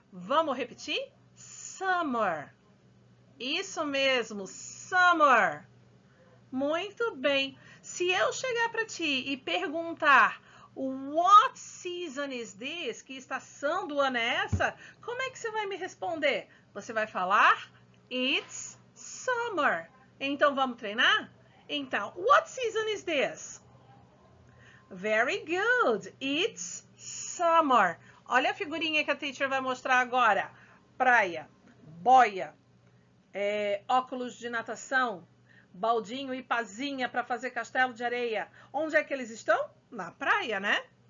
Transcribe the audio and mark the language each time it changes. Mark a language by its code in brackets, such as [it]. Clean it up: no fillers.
[pt] Vamos repetir? Summer. Isso mesmo, summer. Muito bem. Se eu chegar para ti e perguntar [en] what season is this? [pt] Que estação do ano é essa? Como é que você vai me responder? Você vai falar [en] it's summer. [pt] Então, vamos treinar? Então, [en] what season is this? Very good. It's summer. [pt] Olha a figurinha que a teacher vai mostrar agora. Praia, boia, óculos de natação, baldinho e pazinha para fazer castelo de areia. Onde é que eles estão? Na praia, né?